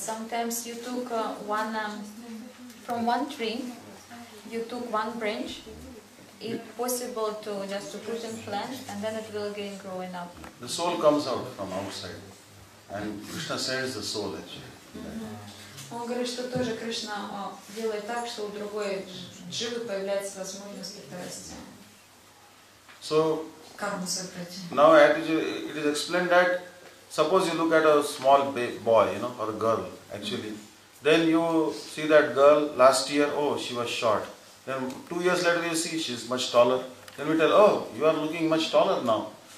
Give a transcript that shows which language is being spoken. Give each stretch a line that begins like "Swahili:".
English: Sometimes you took one from one tree, you took one branch. It's possible to just to put in plant, and then it will again growing up. The soul comes out from outside, and Krishna sends the soul actually. Mm-hmm.
Russian: Он говорит, что тоже Кришна делает так, что у другой дживы появляется возможность перерасти.
English: So. Now, it is explained that suppose you look at a small boy, you know, or a girl, actually, then you see that girl last year, oh, she was short. Then 2 years later, you see she is much taller. Then we tell, oh, you are looking much taller now.